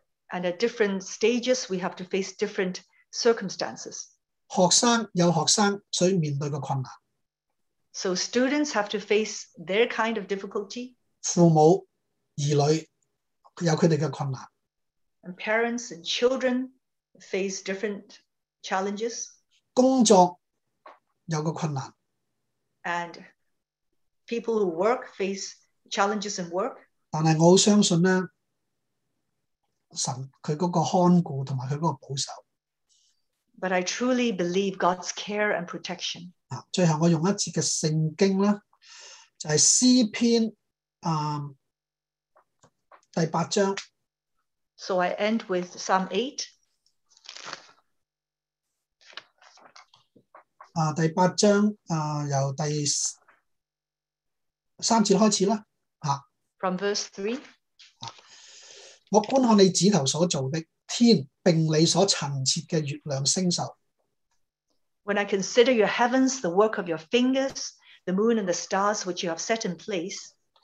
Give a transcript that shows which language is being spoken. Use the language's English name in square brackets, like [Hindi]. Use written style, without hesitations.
[English] And at different stages, we have to face different circumstances. [Chinese] 学生有学生所面对的困难。 [English] So students have to face their kind of difficulty. [Chinese] 父母儿女 [English] And parents and children face different challenges. [Chinese] 工作有个困难。 [English] And people who work face challenges in work. [Chinese] 但是我很相信呢, 神他那个看顾和他那个保守。 [English] But I truly believe God's care and protection. [Chinese] 最后我用一节的圣经呢, 就是诗篇, 第八章, [English] so I end with Psalm 8. [Chinese] 第八章由第三节开始啦。 [English] From verse 3. [Chinese] 我观看你指头所做的天，并你所陈设的月亮星宿。 [English] When I consider your heavens, the work of your fingers, the moon and the stars which you have set in place,